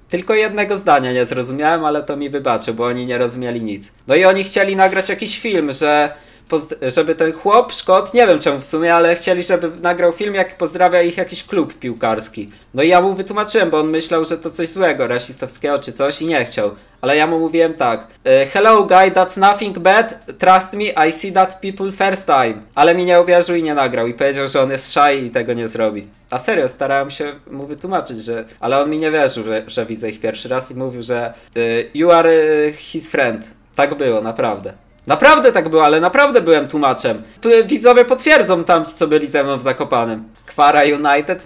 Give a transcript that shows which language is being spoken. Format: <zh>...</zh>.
<pl>Tylko jednego zdania nie zrozumiałem, ale to mi wybaczył, bo oni nie rozumieli nic. No i oni chcieli nagrać jakiś film, żeby ten chłop, Szkot, nie wiem czemu w sumie, ale chcieli, żeby nagrał film, jak pozdrawia ich jakiś klub piłkarski. No i ja mu wytłumaczyłem, bo on myślał, że to coś złego, rasistowskiego czy coś i nie chciał. Ale ja mu mówiłem tak.</pl> <en>Hello guy, that's nothing bad. Trust me, I see that people first time.</en> <pl>Ale mi nie uwierzył i nie nagrał. I powiedział, że on jest shy i tego nie zrobi. A serio, starałem się mu wytłumaczyć, że... Ale on mi nie wierzył, że widzę ich pierwszy raz i mówił, że...</pl> <en>You are his friend.</en> <pl>Tak było, naprawdę. Naprawdę tak było, ale naprawdę byłem tłumaczem. Widzowie potwierdzą tamci, co byli ze mną w Zakopanem. Kwara United?</pl>